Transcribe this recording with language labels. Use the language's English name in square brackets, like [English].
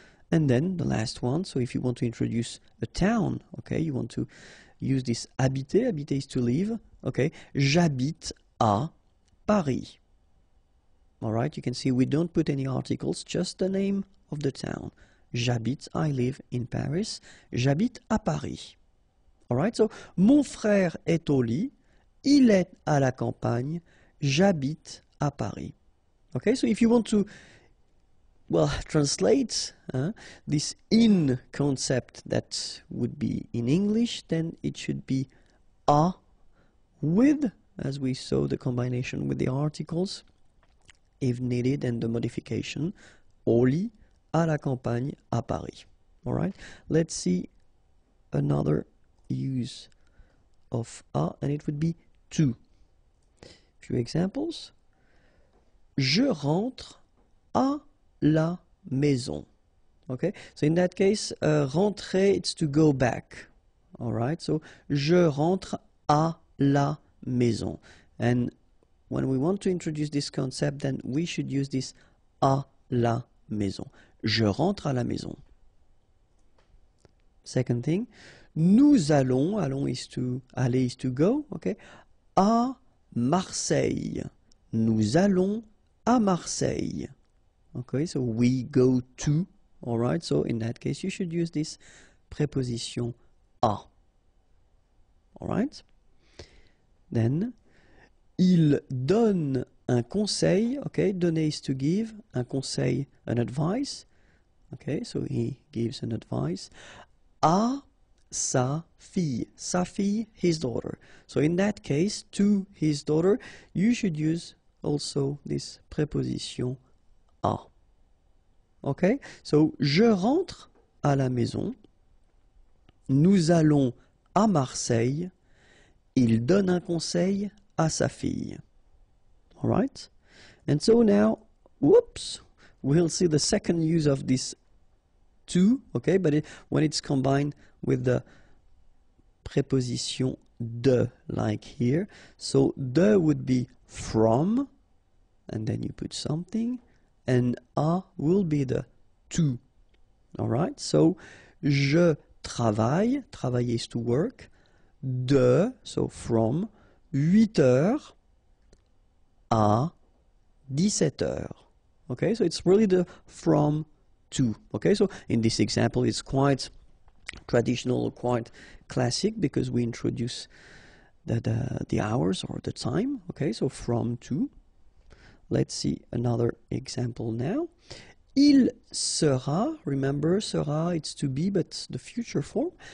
[English] And then the last one, so if you want to introduce a town, okay, you want to use this habiter, habiter is to live, okay? [French] J'habite à Paris. [English] All right, you can see we don't put any articles, just the name of the town. [French] J'habite, [English] I live in Paris. [French] J'habite à Paris. [English] All right, so [French] mon frère est au lit, il est à la campagne, j'habite à Paris. [English] Okay, so if you want to, well, translate this in concept that would be in English, then it should be à with, as we saw, the combination with the articles, if needed, and the modification, au lit, à la campagne, à Paris. All right, let's see another use of a, and it would be to. Few examples. [French] Je rentre à la maison. [English] Okay, so in that case, rentrer, it's to go back. All right, so [French] je rentre à la maison. [English] And when we want to introduce this concept, then we should use this à la maison. [French] Je rentre à la maison. [English] Second thing. Nous allons, allons is to, aller is to go, okay, à Marseille. [French] Nous allons à Marseille. [English] Okay, so we go to, all right, so in that case, you should use this préposition à. All right, then, [French] il donne un conseil, [English] okay, donner is to give, un conseil, an advice, okay, so he gives an advice à sa fille, his daughter. So in that case, to his daughter, you should use also this préposition à. Okay? So [French] je rentre à la maison. Nous allons à Marseille. Il donne un conseil à sa fille. [English] All right? And so now, whoops, we'll see the second use of this to, okay? But when it's combined with the preposition de, like here. So de would be from, and then you put something, and a will be the to. All right? So je travaille, travail is to work, de, so from, [French] 8 heures à 17 heures. [English] Okay, so it's really the from to. Okay, so in this example, it's quite traditional, quite classic, because we introduce the hours or the time. Okay, so from to. Let's see another example now. Il sera, remember, sera, it's to be, but the future form.